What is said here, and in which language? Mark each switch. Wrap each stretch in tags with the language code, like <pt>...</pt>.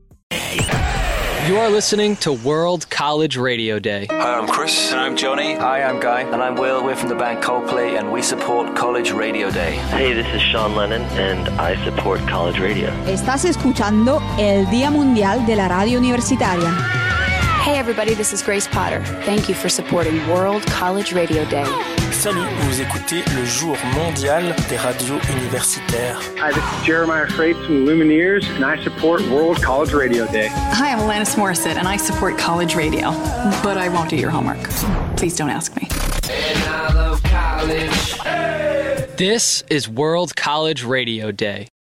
<en>Hey. You are listening to World College Radio Day. Hi, I'm Chris. And I'm Johnny. Hi, I'm Guy. And I'm Will. We're from the band Coldplay, and we support College Radio Day. Hey, this is Sean Lennon, and I support College Radio.</en> <es>Estás escuchando el Día Mundial de la Radio Universitaria.</es> <en>Hey, everybody, this is Grace Potter. Thank you for supporting World College Radio Day.</en> <fr>Salut, vous écoutez le jour mondial des radios universitaires.</fr> <en>Hi, this is Jeremiah Freight from Lumineers, and I support World College Radio Day. Hi, I'm Alanis Morissette, and I support College Radio. But I won't do your homework. Please don't ask me. And I love college. Hey! This is World College Radio Day.</en>